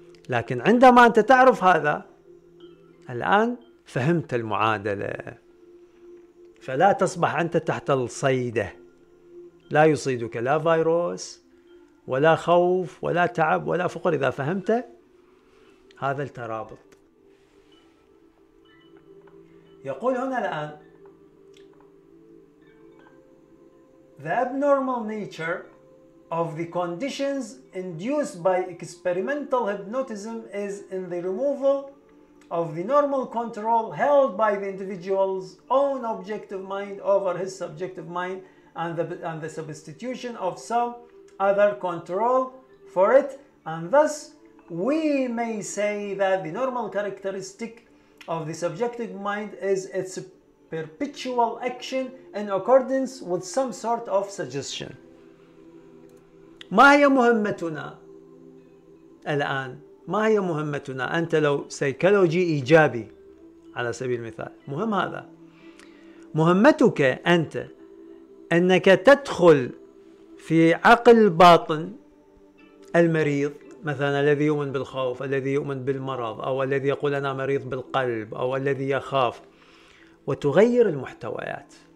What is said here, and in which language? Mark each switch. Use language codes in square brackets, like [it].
[ar] لكن عندما أنت تعرف هذا، الآن فهمت المعادلة، فلا تصبح أنت تحت الصيدة. لا يصيدك لا فيروس ولا خوف ولا تعب ولا فقر، إذا فهمت هذا الترابط. يقول هنا الآن [en] The abnormal nature of the conditions induced by experimental hypnotism is in the removal of the normal control held by the individual's own objective mind over his subjective mind and the substitution of some other control for it, and thus we may say that the normal characteristic of the subjective mind is its perpetual action in accordance with some sort of suggestion. [ar] ما هي مهمتنا الآن؟ ما هي مهمتنا؟ أنت لو سيكولوجي إيجابي على سبيل المثال، مهم هذا. مهمتك أنت أنك تدخل في عقل باطن المريض مثلا، الذي يؤمن بالخوف، الذي يؤمن بالمرض، أو الذي يقول أنا مريض بالقلب، أو الذي يخاف، وتغير المحتويات.